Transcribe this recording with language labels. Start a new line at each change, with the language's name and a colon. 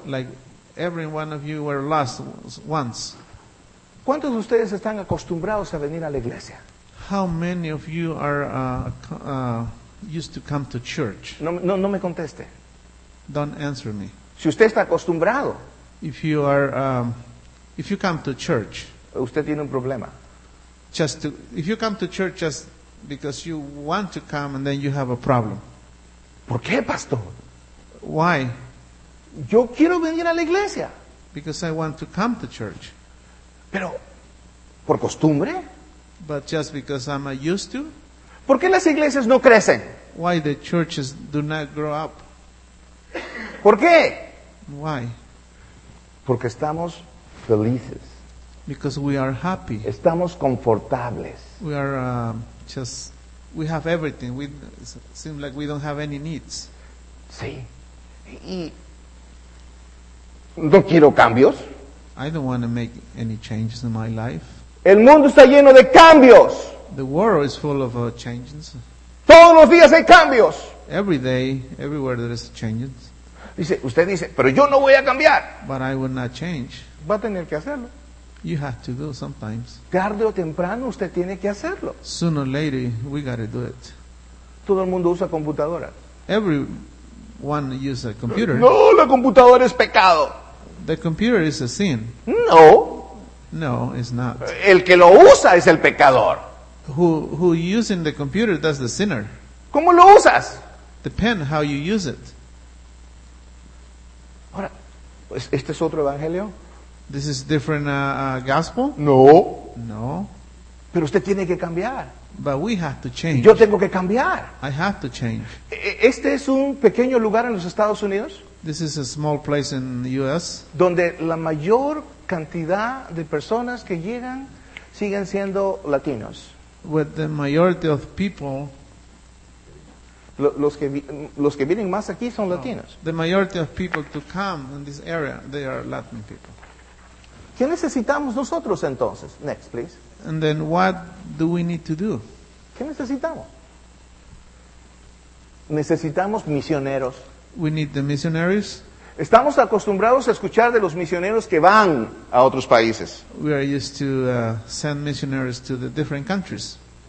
English: Like every one of you were lost once.
Spanish: ¿Cuántos de ustedes están acostumbrados a venir a la iglesia?
English: How many of you are used to come to church?
Spanish: No, me conteste.
English: Don't answer me.
Spanish: Si usted está acostumbrado.
English: If you are if you come to church,
Spanish: usted tiene un problema.
English: Just to, if you come to church just because you want to come and then you have a problem.
Spanish: ¿Por qué, pastor?
English: Why?
Spanish: Yo quiero venir a la iglesia.
English: Because I want to come to church.
Spanish: Pero por costumbre?
English: But just because I'm used to?
Spanish: ¿Por qué las iglesias no crecen?
English: Why the churches do not grow up?
Spanish: ¿Por qué?
English: Why?
Spanish: Porque estamos felices.
English: Because we are happy.
Spanish: Estamos confortables.
English: We are just, we have everything. We seem like we don't have any needs.
Spanish: Sí. Y no quiero cambios.
English: I don't want to make any changes in my life.
Spanish: El mundo está lleno de cambios.
English: The world is full of changes.
Spanish: Todos los días hay cambios.
English: Every day, everywhere there is changes.
Spanish: Dice, usted dice, pero yo no voy a cambiar.
English: But I will not change.
Spanish: Va a tener que hacerlo.
English: You have to do sometimes.
Spanish: Tarde o temprano usted tiene que hacerlo.
English: Sooner or later, we got to do it.
Spanish: Todo el mundo usa computadora.
English: Everyone uses a computer.
Spanish: No, la computadora es pecado.
English: The computer is a sin.
Spanish: No.
English: No, it's not.
Spanish: El que lo usa es el pecador.
English: Who using the computer, that's the sinner.
Spanish: ¿Cómo lo usas?
English: Depend how you use it.
Spanish: Ahora, ¿este es otro evangelio?
English: This is different gospel?
Spanish: No.
English: No.
Spanish: Pero usted tiene que cambiar.
English: But we have to change.
Spanish: Yo tengo que cambiar.
English: I have to change.
Spanish: ¿Este es un pequeño lugar en los Estados Unidos?
English: This is a small place in the U.S.
Spanish: Donde la mayor cantidad de personas que llegan siguen siendo latinos.
English: With the majority of people.
Spanish: Los que vienen más aquí son latinos.
English: The majority of people to come in this area, they are Latin people.
Spanish: ¿Qué necesitamos nosotros entonces?
English: Next, please. And then what do we need to do?
Spanish: ¿Qué necesitamos? Necesitamos misioneros.
English: We need the missionaries.
Spanish: Estamos acostumbrados a escuchar de los misioneros que van a otros países.
English: We are used to send missionaries to the different countries.